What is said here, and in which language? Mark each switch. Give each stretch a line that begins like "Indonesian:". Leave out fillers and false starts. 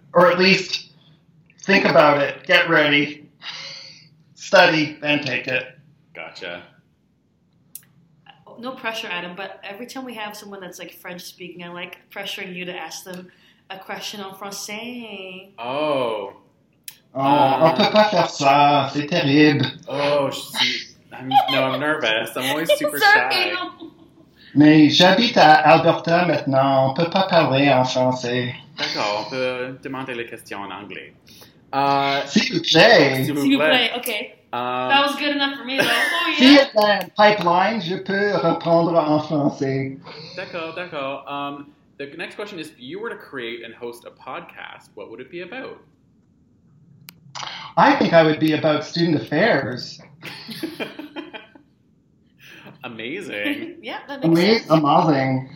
English: Or at least think about it, get ready, study, then take it. Gotcha. No pressure, Adam, but every time we have someone that's like French speaking, I like pressuring you to ask them a question
French: en français.
English: Oh.
French: Oh, on peut pas faire ça, c'est terrible.
English: Oh, I'm nervous. I'm always super shy.
French: Mais j'habite à Alberta maintenant, on peut pas parler en français. D'accord, on peut demander les questions en anglais. S'il vous plaît,
English: ok. That was good enough for me, though. Oh, yeah.
French: Si c'est un pipeline, je peux répondre en français. D'accord.
English: The next question is, if you were to create and host a podcast, what would it be about? I think I would be about student affairs. Amazing. Yeah, that makes sense. Amazing.